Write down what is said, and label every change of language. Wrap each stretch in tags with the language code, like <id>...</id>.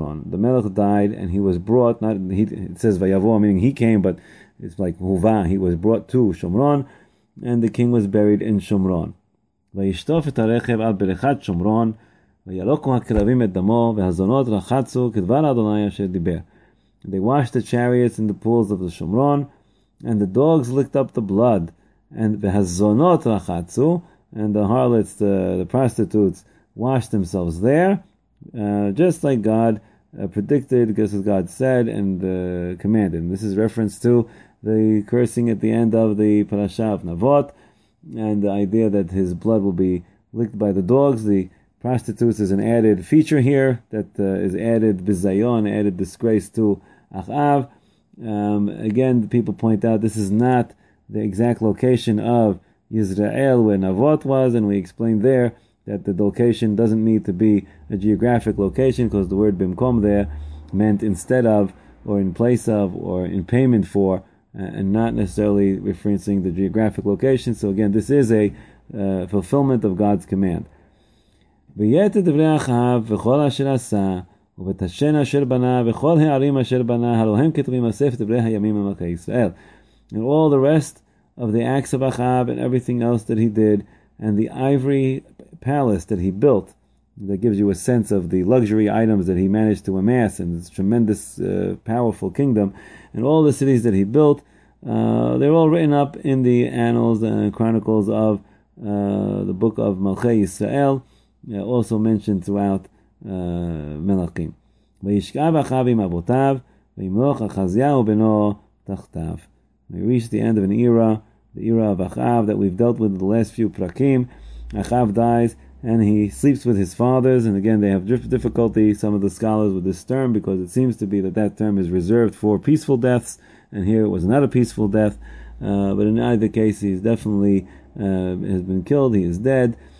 <en>The melech died and he was brought, not he, it says vayavo, meaning he came, but it's like huva, he was brought to Shomron, and the king was buried in Shomron.</en> <he>וישטוף את הרכב עד ברכת שומרון, וילוקו הכלבים את דמו, והזונות רחצו כדבר אדוני אשר דיבר.</he> <en>They washed the chariots in the pools of the Shomron, and the dogs licked up the blood, and</en> <he>והזונות רחצו,</he> <en>and the harlots, the prostitutes, washed themselves there, just like God predicted, just as God said and commanded. And this is reference to the cursing at the end of the parasha of Navot, and the idea that his blood will be licked by the dogs. The prostitutes is an added feature here that is added bizayon, added disgrace to Achav. Again, the people point out this is not the exact location of Yisrael where Navot was, and we explained there that the location doesn't need to be a geographic location, because the word bimkom there meant instead of, or in place of, or in payment for and not necessarily referencing the geographic location. So again, this is a fulfillment of God's command.</en> <he>V'yeter divrei Achav v'chol asher asah ובת השן אשר בנה, וכל הערים אשר בנה, הלוהם כתובים אסף דברי הימים המלכי ישראל.</he> <en>And all the rest of the acts of Ahab and everything else that he did, and the ivory palace that he built, that gives you a sense of the luxury items that he managed to amass in this tremendous, powerful kingdom, and all the cities that he built, they're all written up in the annals and chronicles of the book of Malchei Yisrael, also mentioned throughout מלכים.</en> <he>וישכב אחיו עם אבותיו, וימלוך אחזיהו בנו תחתיו.</he> <en>We reached the end of an era, the era of Achav, that we've dealt with in the last few prakim. Achav dies, and he sleeps with his fathers, and again, they have difficulty, some of the scholars, with this term, because it seems to be that that term is reserved for peaceful deaths, and here it was not a peaceful death, but in either case, he's definitely has been killed, he is dead.</en>